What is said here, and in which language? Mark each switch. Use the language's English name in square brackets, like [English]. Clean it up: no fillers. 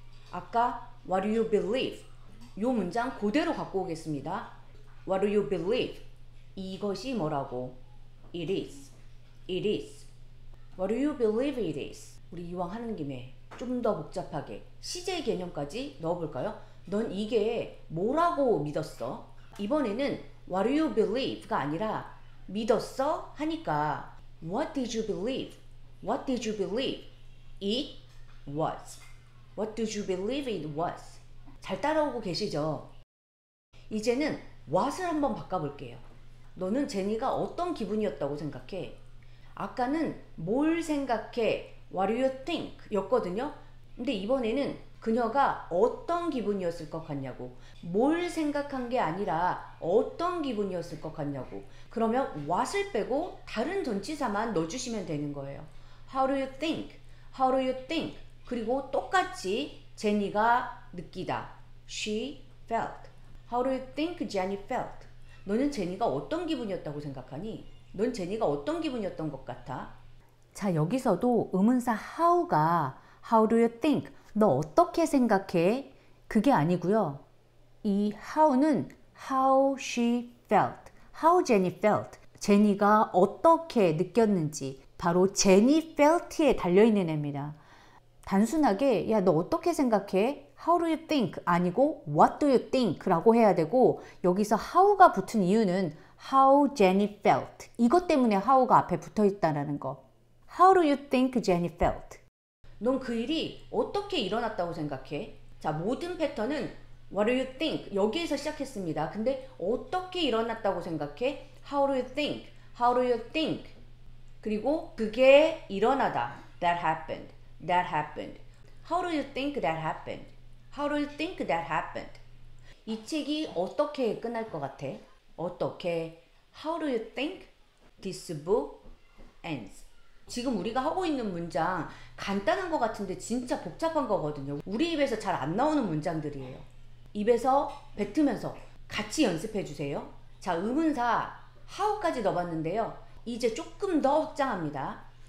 [Korean] 아까 [English] What do you believe? [Korean] 요 문장 그대로 갖고 오겠습니다. [English] What do you believe? [Korean] 이것이 뭐라고? [English] It is. It is. What do you believe it is? [Korean] 우리 이왕 하는 김에 좀 더 복잡하게 시제 개념까지 넣어볼까요? 넌 이게 뭐라고 믿었어? 이번에는 [English] What do you believe? [Korean] 가 아니라 믿었어? 하니까 [English] What did you believe? What did you believe? It was. What did you believe it was? [Korean] 잘 따라오고 계시죠? 이제는 what을 한번 바꿔볼게요. 너는 제니가 어떤 기분이었다고 생각해? 아까는 뭘 생각해? [English] What do you think? [Korean] 였거든요. 근데 이번에는 그녀가 어떤 기분이었을 것 같냐고 뭘 생각한 게 아니라 어떤 기분이었을 것 같냐고 그러면 what을 빼고 다른 전치사만 넣어주시면 되는 거예요. [English] How do you think? How do you think? [Korean] 그리고 똑같이 제니가 느끼다 [English] She felt How do you think Jenny felt? [Korean] 너는 제니가 어떤 기분이었다고 생각하니? 넌 제니가 어떤 기분이었던 것 같아? 자, 여기서도 의문사 how가 how do you think? 너 어떻게 생각해? 그게 아니고요. 이 how는 [English] how she felt, how Jenny felt, [Korean] 제니가 어떻게 느꼈는지 바로 제니 felt에 달려 있는 애입니다. 단순하게 야, 너 어떻게 생각해? [English] How do you think? [Korean] 아니고 [English] what do you think? [Korean] 라고 해야 되고 여기서 how가 붙은 이유는 [English] how Jenny felt [Korean] 이것 때문에 how가 앞에 붙어 있다라는 거. [English] How do you think Jenny felt? [Korean] 넌그 일이 어떻게 일어났다고 생각해? 자, 모든 패턴은 [English] What do you think? [Korean] 여기에서 시작했습니다. 근데 어떻게 일어났다고 생각해? [English] How do you think? How do you think? [Korean] 그리고 그게 일어나다. [English] That happened. That happened. How do you think that happened? How do you think that happened? [Korean] 이 책이 어떻게 끝날 것 같아? 어떻게? [English] How do you think this book ends? [Korean] 지금 우리가 하고 있는 문장 간단한 것 같은데 진짜 복잡한 거거든요. 우리 입에서 잘안 나오는 문장들이에요. 입에서 뱉으면서 같이 연습해 주세요. 자, 의문사 how까지 넣어봤는데요. 이제 조금 더 확장합니다.